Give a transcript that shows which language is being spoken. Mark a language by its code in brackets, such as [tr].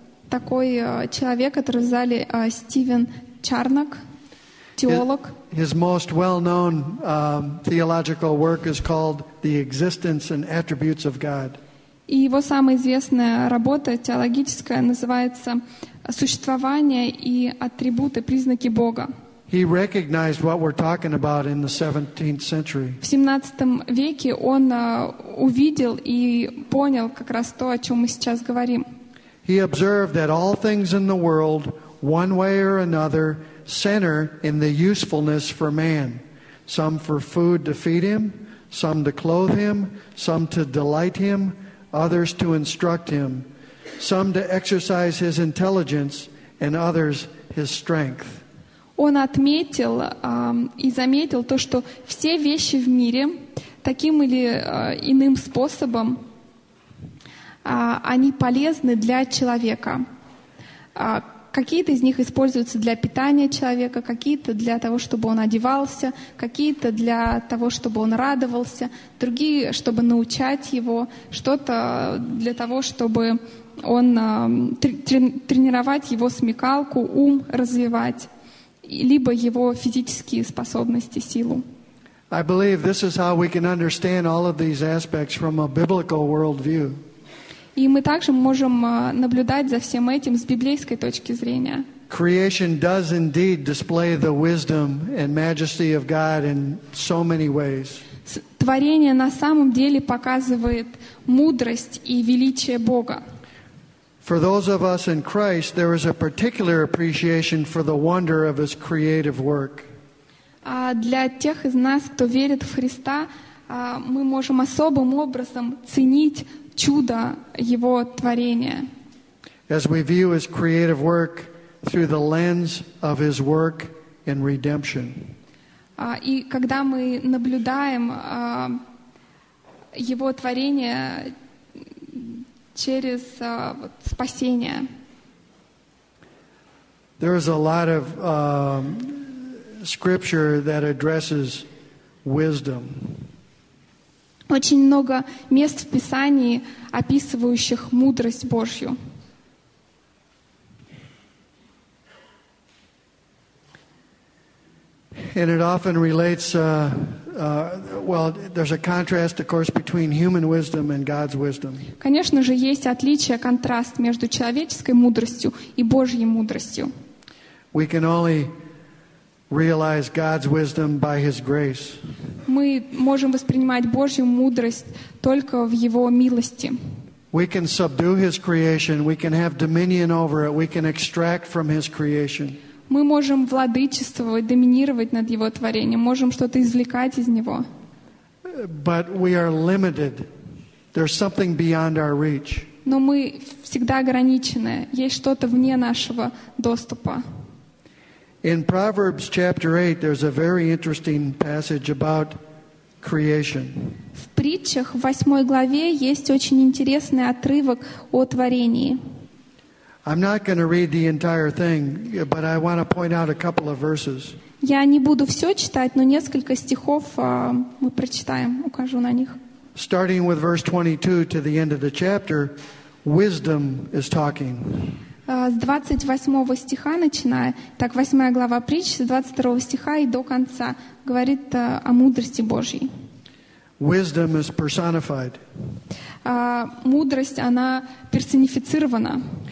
[ru] такой человек, который в зале, Стивен Чарнок, теолог. [en] His most well-known theological work is called The Existence and Attributes of God. [ru] И его самая известная работа теологическая называется «Существование и атрибуты, признаки Бога». [en] He recognized what we're talking about in the 17th century. [ru] В 17 веке он увидел и понял как раз то, о чем мы сейчас говорим. [en] He observed that all things in the world, one way or another, center in the usefulness for man. Some for food to feed him, some to clothe him, some to delight him, others to instruct him, some to exercise his intelligence, and others his strength. [ru] Он отметил и заметил то, что все вещи в мире таким или иным способом они полезны для человека. Какие-то из них используются для питания человека, какие-то для того, чтобы он одевался, какие-то для того, чтобы он радовался, другие, чтобы научать его, что-то для того, чтобы он тренировать его смекалку, ум развивать, либо его физические способности, силу. [en] I believe this is how we can understand all of these aspects from a biblical worldview. [ru] И мы также можем наблюдать за всем этим с библейской точки зрения. [en] Creation does indeed display the wisdom and majesty of God in so many ways. [ru] Творение на самом деле показывает мудрость и величие Бога. [en] For those of us in Christ, there is a particular appreciation for the wonder of His creative work. [ru] Для тех из нас, кто верит в Христа, мы можем особым образом ценить чудо его творения. [en] As we view his creative work through the lens of his work in redemption. [ru] И когда мы наблюдаем его творение через спасение. [en] There is a lot of scripture that addresses wisdom. [ru] Очень много мест в Писании, описывающих мудрость Божью. [en] And it often relates, well, there's a contrast, of course, between human wisdom and God's wisdom. [ru] Конечно же, есть отличие, контраст между человеческой мудростью и Божьей мудростью. [en] We can only realize God's wisdom by His grace. [ru] Мы можем воспринимать Божью мудрость только в Его милости. [en] We can subdue His creation. We can have dominion over it. We can extract from His creation. [ru] Мы можем владычествовать, доминировать над Его творением. Можем что-то извлекать из Него. [en] But we are limited. There's something beyond our reach. [ru] Но мы всегда ограничены. Есть что-то вне нашего доступа. [en] In Proverbs chapter 8, there's a very interesting passage about creation. [ru] В притчах в 8 главе есть очень интересный отрывок о творении. [en] I'm not going to read the entire thing, but I want to point out a couple of verses. [ru] Я не буду все читать, но несколько стихов мы прочитаем, укажу на них. [en] Starting with verse 22 to the end of the chapter, wisdom is talking. [ru] С 28 стиха начиная, так 8 глава притч, с 22 стиха и до конца, говорит о мудрости Божьей. [en] Wisdom is personified. [ru] Мудрость, она персонифицирована.